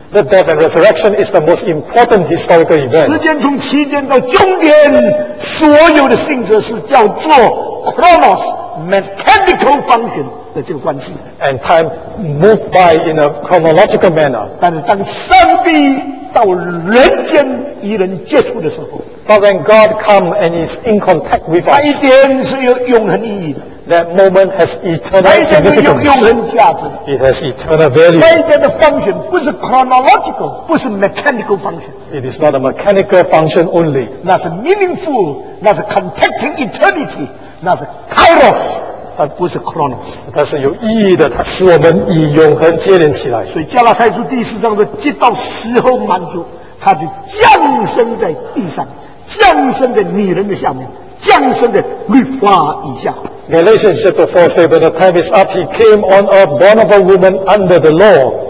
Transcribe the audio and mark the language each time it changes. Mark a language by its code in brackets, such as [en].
[en] the death and resurrection is the most important historical event. [zh] 时间从起点到终点, 所有的性质是叫做 chronos, [en] mechanical function. And time moved by in a chronological manner. [zh] 但是当上帝到人间与人接触的时候, [en] but when God come and is in contact with us, [zh] 那一天是有永恒意义的, [en] that moment has eternal significance. It has eternal value. [zh] 那一天的 function 不是 chronological, 不是 mechanical function. [en] It is not a mechanical function only. [zh] 那是 meaningful, 那是 [en] contacting eternity, [zh] 那是 kairos. 它不是 chronos, 它是有意义的，它使我们与永恒接连起来。所以加拉太书第四章的直到时候满足, 它就降生在地上, 降生在女人的下面, 降生在律法以下。 [en] Galatians chapter 4 says, when the time is up, he came on earth born of a woman under the law.